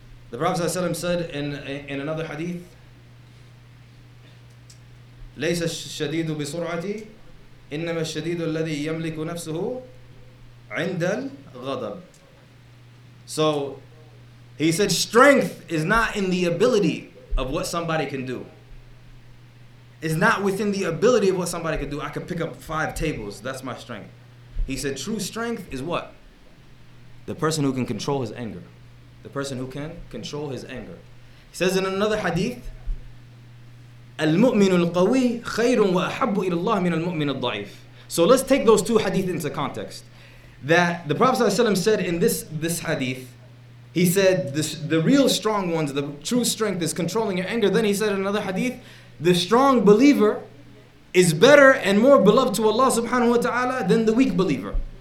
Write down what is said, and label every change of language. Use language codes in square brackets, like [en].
[en] The Prophet ﷺ said in another hadith, [ar] ليس الشديد بسرعتي إنما الشديد الذي يملك نفسه عند الغضب. [en] So he said strength is not in the ability of what somebody can do. It's not within the ability of what somebody can do. I could pick up 5 tables. That's my strength. He said true strength is what? The person who can control his anger. The person who can control his anger. He says in another hadith, [ar] المؤمن القوي خير وأحب إلى الله من المؤمن الضعيف. [en] So let's take those two hadith into context. That the Prophet ﷺ said in this hadith, he said the real strong ones, the true strength is controlling your anger. Then he said in another hadith, the strong believer is better and more beloved to Allah subhanahu wa ta'ala than the weak believer.